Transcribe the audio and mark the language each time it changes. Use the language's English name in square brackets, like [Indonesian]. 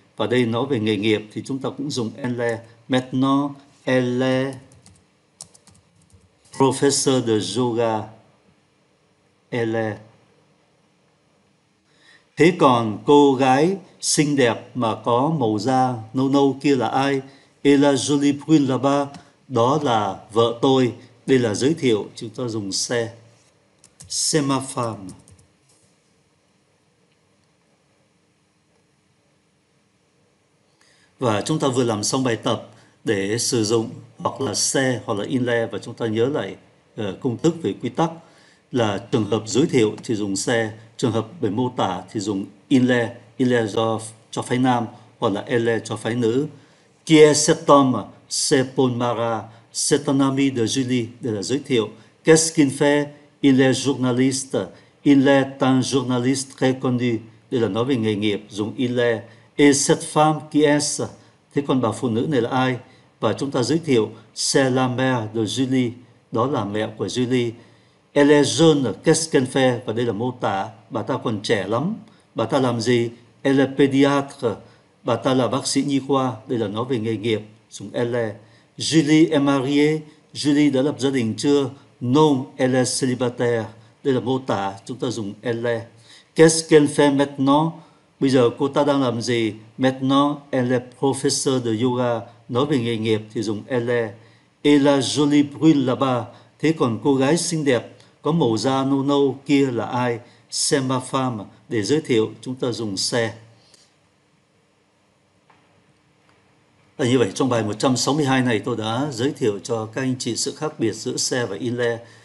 [Vietnamese] Và đây nói về nghề nghiệp thì chúng ta cũng dùng elle. [French] Maintenant, elle est professeur de yoga. Elle est. [Vietnamese] Thế còn cô gái xinh đẹp mà có màu da nâu nâu kia là ai? [French] Elle est jolie brune là-bas. [Vietnamese] Đó là vợ tôi. Đây là giới thiệu. Chúng ta dùng xe. [French] C'est ma femme. [Vietnamese] Và chúng ta vừa làm xong bài tập để sử dụng hoặc là xe hoặc là in le và chúng ta nhớ lại công thức về quy tắc là trường hợp giới thiệu thì dùng xe, trường hợp về mô tả thì dùng in le cho phái nam hoặc là elle cho phái nữ. [French] Qui est cet homme? C'est Paul Mara, c'est un ami de Julie. [Vietnamese] Đây là giới thiệu. [French] Qu'est-ce qu'il fait? Il est journaliste. Il est un journaliste très connu. [Vietnamese] Đây là nói về nghề nghiệp, dùng il le. [French] Et cette femme qui est? [Vietnamese] Thế còn bà phụ nữ này là ai? Và chúng ta giới thiệu, [French] c'est la mère de Julie. [Vietnamese] Đó là mẹ của Julie. [French] Elle est jeune, qu'est-ce qu'elle fait? [Vietnamese] Và đây là mô tả, bà ta còn trẻ lắm. Bà ta làm gì? [French] Elle est pédiatre. [Vietnamese] Bà ta là bác sĩ nhi khoa. Đây là nói về nghề nghiệp, dùng elle. [French] Julie est mariée. [Vietnamese] Julie đã lập gia đình chưa? [French] Non, elle est célibataire. [Vietnamese] Đây là mô tả, chúng ta dùng elle. [French] Qu'est-ce qu'elle fait maintenant? [Vietnamese] Bây giờ cô ta đang làm gì? [French] Maintenant, elle est professeur de yoga. [Vietnamese] Nói về nghề nghiệp thì dùng elle. [French] Et la jolie brune là-bas. [Vietnamese] Thế còn cô gái xinh đẹp, có màu da nâu nâu kia là ai? [French] C'est ma femme. [Vietnamese] Để giới thiệu, chúng ta dùng xe. Là như vậy, trong bài 162 này tôi đã giới thiệu cho các anh chị sự khác biệt giữa xe và in le.